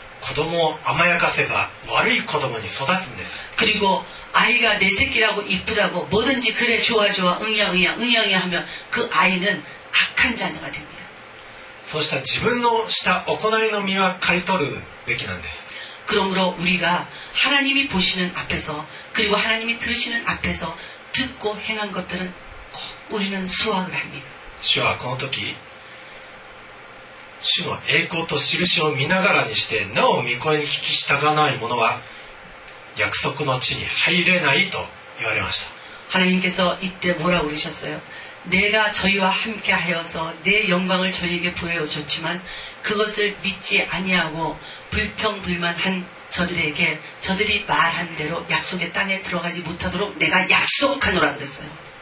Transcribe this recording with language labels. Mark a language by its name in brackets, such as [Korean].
[Japanese] 子供を甘やかせば悪い子供に育つんです。 [Korean] 그리고아이가내새끼라고이쁘다고뭐든지그래좋아좋아응양응양응양이하면그아이는악한자녀가됩니다。 [Japanese] そうした自分のした行いの実は刈り取るべきなんです。 [Korean] 그러므로우리가하나님이보시는앞에서그리고하나님이들으시는앞에서듣고행한것들은우리는수확을합니다。 [Japanese] 主はこの時主の栄光と印を見ながらにしてなお御声に聞き従わない者は約束の地に入れないと言われました。 [Korean] 하나님께서이때뭐라고그러셨어요내가저희와함께하여서내영광을저희에게보여줬지만그것을믿지아니하고불평불만한저들에게저들이말한대로약속의땅에들어가지못하도록내가약속하노라그랬어요。